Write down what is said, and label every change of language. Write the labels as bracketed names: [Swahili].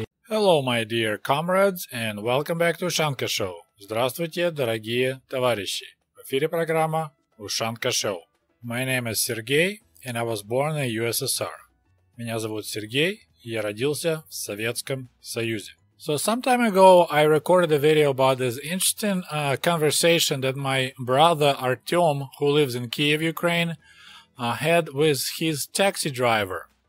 [English] Hello, my dear comrades, and welcome back to Ushanka Show. [Russian] Здравствуйте, дорогие товарищи. В эфире программа Ushanka Show. [English] My name is Sergey, and I was born in USSR. [Russian] Меня зовут Сергей, и я родился в Советском Союзе. [English] So some time ago, I recorded a video about this interesting conversation that my brother Artem, who lives in Kyiv, Ukraine, had with his taxi driver.